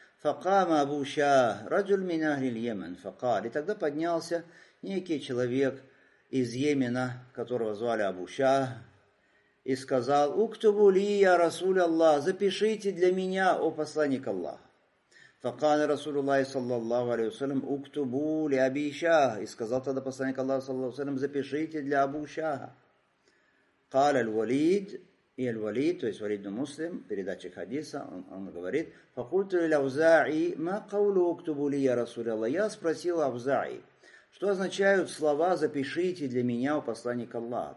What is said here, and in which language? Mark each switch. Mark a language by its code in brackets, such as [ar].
[ar] فَقَامَ أَبُو شَاهِ رَجُلٌ مِنْ أَهْلِ الْيَمَنِ فَقَالَ. [ru] И тогда поднялся некий человек из Йемена, которого звали Абу Шах, и сказал, [ar] «Уктубу ли я, Расуль Аллах, [ru] запишите для меня, о посланник Аллаха». [ar] فَقَالَ رَسُولُ اللَّهِ صَلَّى اللَّهُ عَلَيْهُ وَسَلَّمُ «Уктубу ли Аби Шах». [ru] И сказал тогда посланник Аллаха, [ar] صَلَّى اللَّهُ عَلَيْهُ وَسَلَّمُ [ru] «Запишите для Абу Шаха». [ar] قَالَ الْوَلِيدُ. [ru] И Аль-Валид, то есть Валид ибн Муслим, передача хадиса, он говорит, [ar] «Факульту ль-Аузаи, ма каулу уктубу ли я, Расуль Аллах?» [ru] Я спросил Аузаи, что означают слова «запишите для меня, у посланника Аллаха».